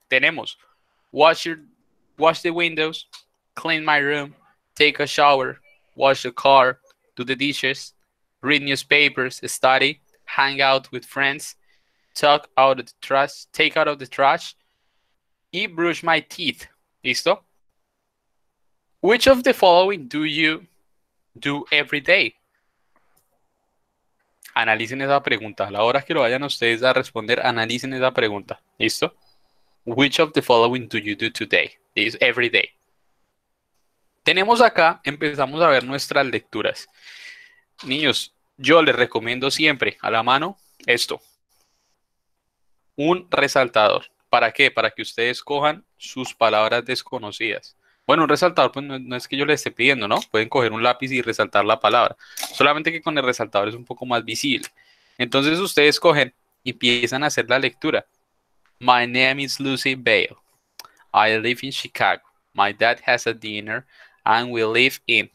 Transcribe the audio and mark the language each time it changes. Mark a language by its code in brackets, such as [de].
[es] Tenemos [en] wash the windows, clean my room, take a shower, wash the car, do the dishes, read newspapers, study, hang out with friends, take out of the trash, y brush my teeth. [es] ¿Listo? [en] Which of the following do you do every day? [es] Analicen esa pregunta. A la hora que lo vayan ustedes a responder, analicen esa pregunta. ¿Listo? [en] Which of the following do you do today? Is every day. [es] Tenemos acá, empezamos a ver nuestras lecturas. Niños, yo les recomiendo siempre a la mano esto. Un resaltador. ¿Para qué? Para que ustedes cojan sus palabras desconocidas. Bueno, un resaltador, pues no es que yo les esté pidiendo, ¿no? Pueden coger un lápiz y resaltar la palabra. Solamente que con el resaltador es un poco más visible. Entonces, ustedes cogen y empiezan a hacer la lectura. [en] My name is Lucy Bale. I live in Chicago. My dad has a dinner and we live in...